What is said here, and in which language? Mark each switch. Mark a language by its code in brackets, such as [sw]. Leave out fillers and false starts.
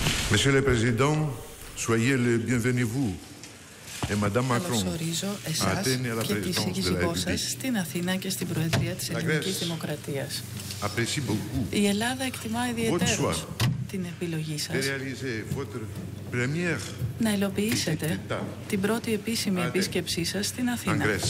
[fr] Monsieur le Président, soyez le bienvenu vous. Et Madame Macron. [el] Καλωσορίζω εσάς και τη σύζυγό σας στην Αθήνα και στην Προεδρία της Ελληνικής Δημοκρατίας. [fr] Apprécie beaucoup. [el] Η Ελλάδα εκτιμά ιδιαίτερως την επιλογή σας. [fr] De réaliser votre première... [el] Να υλοποιήσετε την πρώτη επίσημη επίσκεψή σας στην Αθήνα.